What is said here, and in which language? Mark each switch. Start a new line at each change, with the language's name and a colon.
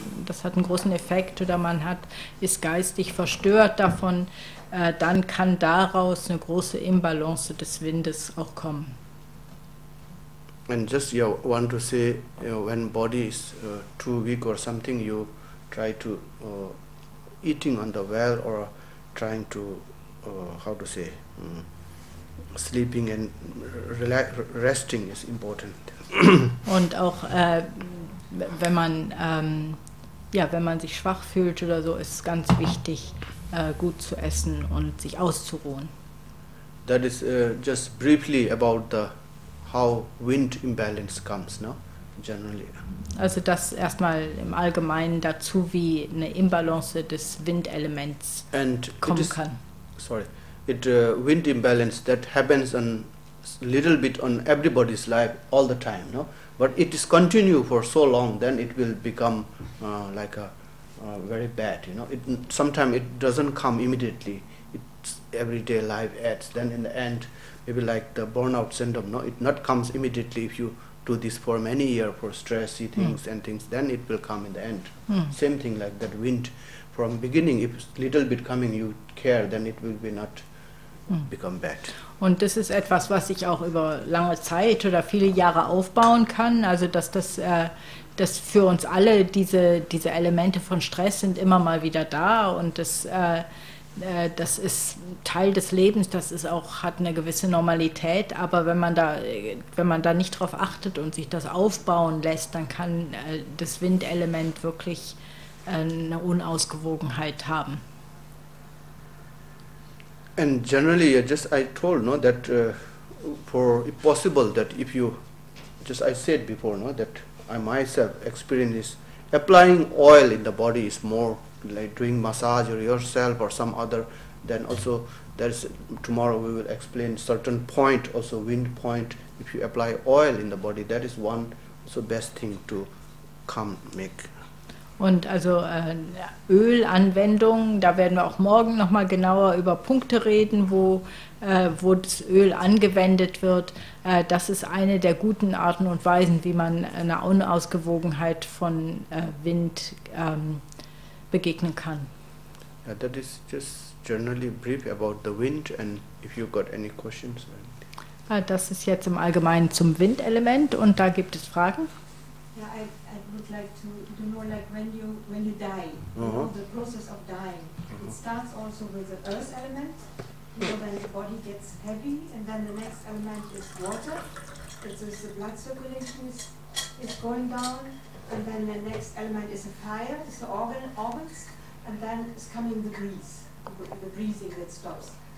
German: das hat einen großen Effekt, oder man hat, ist geistig verstört davon, dann kann daraus eine große Imbalance des Windes auch kommen.
English: And just you want to say, you know, when body is too weak or something, you try to eating on the well or trying to how to say sleeping and resting is important.
German: Und auch wenn man sich schwach fühlt oder so, ist es ganz wichtig, gut zu essen und sich auszuruhen.
English: That is just briefly about the how wind imbalance comes, no? Generally.
German: Also das erstmal im Allgemeinen dazu, wie eine Imbalance des Windelements kommen kann.
English: Wind imbalance, that happens on little bit on everybody's life all the time, no? But it is continue for so long, then it will become very bad, you know. Sometimes it doesn't come immediately. It's everyday life adds. Then in the end, maybe like the burnout syndrome, no? It not comes immediately. If you do this for many years for stressy things and things, then it will come in the end. Same thing like that wind. From beginning, if little bit coming, you care, then it will be not become bad.
German: Und das ist etwas, was ich auch über lange Zeit oder viele Jahre aufbauen kann. Also dass für uns alle diese Elemente von Stress sind immer mal wieder da, und das ist Teil des Lebens, das ist auch, hat eine gewisse Normalität, aber wenn man da nicht drauf achtet und sich das aufbauen lässt, dann kann das Windelement wirklich eine Unausgewogenheit haben.
English: And generally, just I told, no, that for if possible, that if you, just I said before, no, that I myself experience this, applying oil in the body is more like doing massage or yourself or some other. Then also, there's tomorrow we will explain certain point, also wind point. If you apply oil in the body, that is one so best thing to come make.
German: Und also Ölanwendung, da werden wir auch morgen nochmal genauer über Punkte reden, wo das Öl angewendet wird. Das ist eine der guten Arten und Weisen, wie man einer Unausgewogenheit von Wind begegnen kann.
English: Yeah, that is just generally brief about the wind, and if you got any questions.
German: Das ist jetzt im Allgemeinen zum Windelement, und da gibt es Fragen.
English: Yeah, I would like to know, like when you die, the process of dying. It starts also with the earth element, then the body gets heavy, and then the next element is water. It is the blood circulation is going down, and then the next element is a fire, it's the organs, and then it's coming the breeze, the breathing that stops.